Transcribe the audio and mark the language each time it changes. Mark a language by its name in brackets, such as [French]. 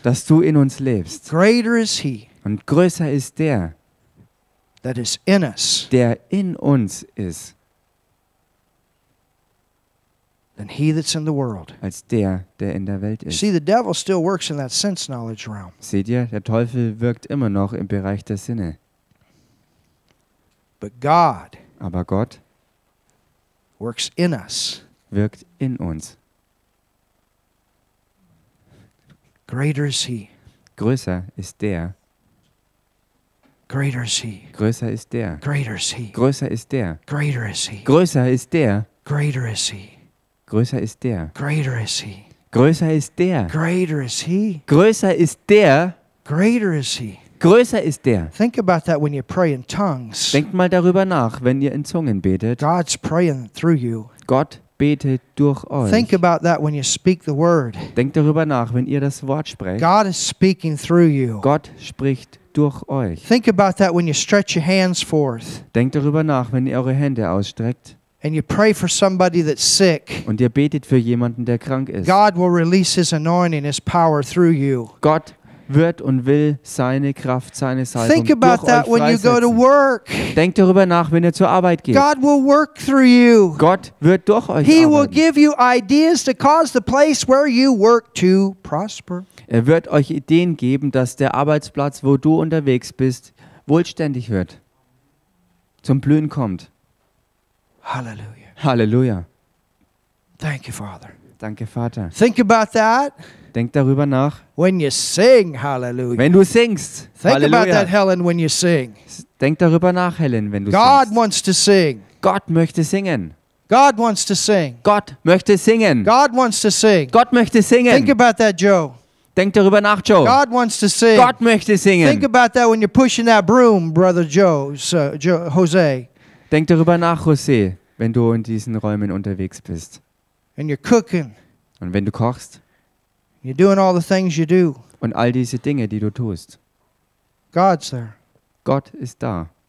[German] Dass du in uns lebst. [English] Greater is he. [German] Und größer ist der, [English] that is in us, [German] der in uns ist, [English] than he that's in the world. [German] Als der, der in der Welt ist. [English] See, the devil still works in that sense knowledge realm. [German] Seht ihr, der Teufel wirkt immer noch im Bereich der Sinne. [English] But God, [German] aber Gott, [English] works in us, [German] wirkt in uns. [English] Greater is he. [German] Größer ist der. [English] Greater is he. [German] Größer ist der. [English] Greater is he. [German] Größer ist der. [English] Greater is he. [German] Größer ist der. [English] Greater is he. [German] Größer ist der. [English] Greater is he. [German] Größer ist der. [English] Greater is he. [German] Größer ist der. [English] Greater is he. [German] Größer ist der. [English] Think about that when you pray in tongues. [German] Denkt mal darüber nach, wenn ihr in Zungen betet. [English] God's praying through you. [German] Gott betet durch euch. [English] Think about that when you speak the word. [German] Denkt darüber nach, wenn ihr das Wort sprecht. [English] God is speaking through you. [German] Gott spricht durch euch. [English] Think about that when you stretch your hands forth. [German] Denkt darüber nach, wenn ihr eure Hände ausstreckt. [English] And you pray for somebody that's sick. [German] Und ihr betet für jemanden, der krank ist. [English] God will release his anointing, his power through you. [German] Gott wird und will seine Kraft, seine Salbung durch euch [English] Think about that when you go to work. [German] Denkt darüber nach, wenn ihr zur Arbeit geht. [English] God will work through you. [German] Gott wird durch euch arbeiten. [English] He will give you ideas to cause the place where you work to prosper. [German] Er wird euch Ideen geben, dass der Arbeitsplatz, wo du unterwegs bist, wohlständig wird, zum Blühen kommt. [English] Halleluja. [German] Halleluja. [English] Thank you, Father. [German] Danke, Vater. [English] Think about that. [German] Denk darüber nach. [English] When you sing, hallelujah. [German] Wenn du singst. [English] Think [German] Halleluja. [English] About that, Helen, when you sing. [German] Denk darüber nach, Helen, wenn du [English] God [German] singst. [English] Wants to sing. [German] Gott möchte singen. [English] God wants to sing. [German] Gott möchte singen. [English] God wants to sing. [German] Gott möchte singen. [English] Think about that, Joe. [German] Denk darüber nach, Joe. [English] God wants to sing. [German] Gott möchte singen. [English] Think about that when you're pushing that broom, brother Jose. [German] Denk darüber nach, Jose, wenn du in diesen Räumen unterwegs bist. [English] And you're cooking. [German] Und wenn du kochst. [English] You're doing all the things you do. [German] Und all diese Dinge, die du tust. [English] God's there. [German] Gott ist da.